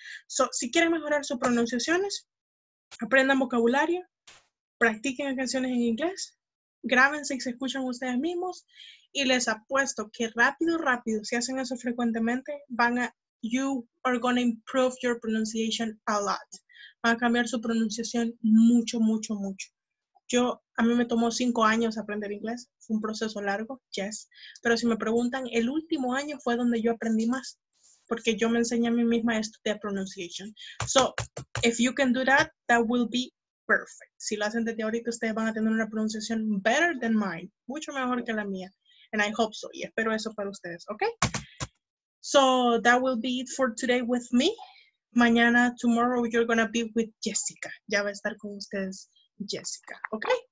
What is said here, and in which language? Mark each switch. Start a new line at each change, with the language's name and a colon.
Spanish: So, si quieren mejorar sus pronunciaciones, aprendan vocabulario, practiquen canciones en inglés, grábense y se escuchan ustedes mismos y les apuesto que rápido, rápido, si hacen eso frecuentemente, van a,
English: you are going to improve your pronunciation a lot.
Spanish: Van a cambiar su pronunciación mucho, mucho, mucho. A mí me tomó 5 años aprender inglés, fue un proceso largo, yes. Pero si me preguntan, el último año fue donde yo aprendí más, porque yo me enseñé a mí misma esto de pronunciation.
English: So, if you can do that, that will be perfect.
Spanish: Si lo hacen desde ahorita, ustedes van a tener una pronunciación
English: better than mine.
Spanish: Mucho mejor que la mía.
English: And I hope so.
Spanish: Y espero eso para ustedes, ¿ok?
English: So, that will be it for today with me.
Spanish: Mañana,
English: tomorrow, you're gonna be with Jessica.
Spanish: Ya va a estar con ustedes Jessica, ¿ok?